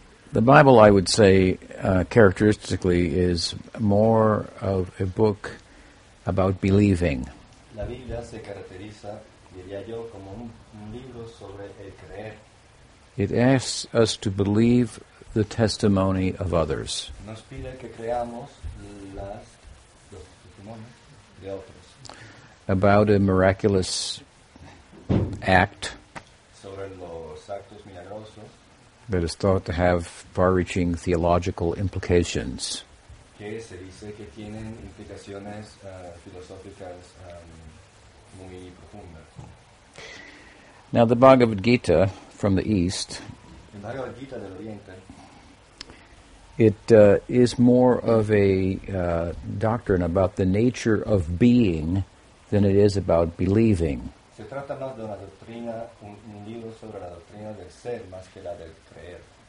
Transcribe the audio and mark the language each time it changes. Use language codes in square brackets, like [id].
[en] The Bible, I would say, characteristically, is more of a book about believing. [es] La Biblia se caracteriza, diría yo, como un libro sobre el creer. [en] It asks us to believe the testimony of others. [es] Nos pide que creamos los testimonios de otros. [en] About a miraculous act. [es] Sobre los actos milagrosos. [en] That is thought to have far-reaching theological implications. [es] Que se dice que tienen implicaciones filosóficas muy profundas. [en] Now the Bhagavad Gita from the East. [es] El Bhagavad Gita del Oriente. [en] It is more of a doctrine about the nature of being than it is about believing. [es] se trata más de una doctrina, un libro sobre la doctrina del ser más que la del creer.